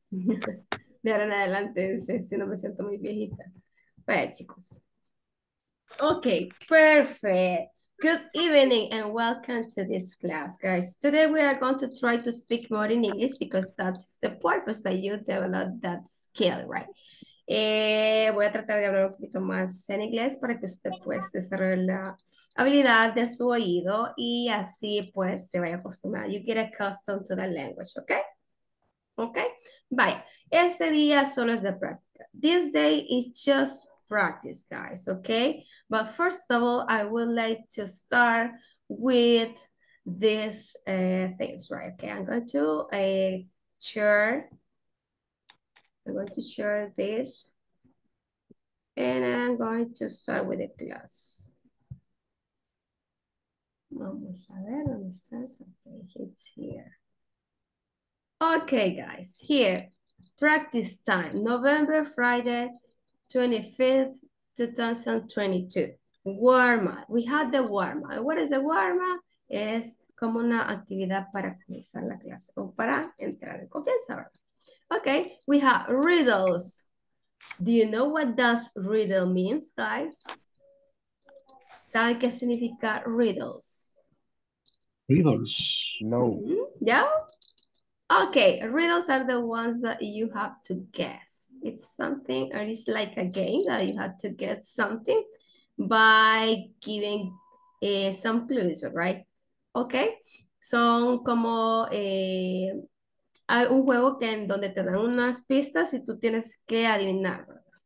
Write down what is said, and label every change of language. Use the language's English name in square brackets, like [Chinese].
[Spanish] De ahora en adelante, si no me siento muy viejita. Vaya, chicos. [English] Okay, perfect. Good evening and welcome to this class, guys. Today we are going to try to speak more in English because that's the purpose that you develop that skill, right? [Spanish] Voy a tratar de hablar un poquito más en inglés para que usted pues desarrolle la habilidad de su oído y así pues se vaya acostumbrado. [English] You get accustomed to the language, okay? Okay? Bye. [Spanish] Este día solo es de práctica. [English] This day is just practice, guys, okay? But first of all, I would like to start with these things, right? Okay, I'm going to share. I'm going to share this. And I'm going to start with the class. [Spanish] Vamos a ver, ¿dónde está? [English] Okay, it's here. Okay, guys, here. Practice time, November, Friday, 25th, 2022. Warm up. We had the warm up. What is the warm up? [Spanish] Es como una actividad para comenzar la clase o para entrar en confianza. [English] Okay, we have riddles. Do you know what does riddle means, guys? [Spanish] ¿Saben qué significa riddles? [English] Riddles? No. Yeah? Okay, riddles are the ones that you have to guess. It's something, or it's like a game that you have to guess something by giving some clues, right? [Spanish] Okay, son como un juego que en donde te dan unas pistas y tú tienes que adivinar, ¿verdad?